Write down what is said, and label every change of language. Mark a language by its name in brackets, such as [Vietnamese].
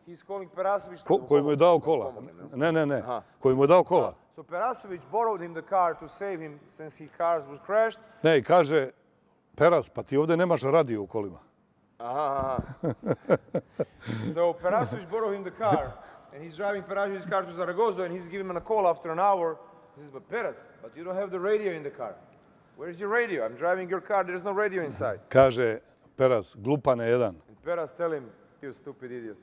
[English] He's calling Perasović to... [Serbian] Koji mu je dao kola. Ne, ne, ne. Koji mu je dao kola. [English] So Perasović borrowed him the car to save him since his car was crashed. [Serbian] Ne, i kaže, Peras, pa ti ovde nemaš radio u kolima. [English] So Perasović borrowed him the car and he's driving Perasović's car to Zaragoza and he's giving him a call after an hour. He says, but Peras, but you don't have the radio in the car. Where is your radio? I'm driving your car, there's no radio inside. [Serbian] Kaže, Peras, glupane jedan. [English] And Peras tell him, you stupid idiot.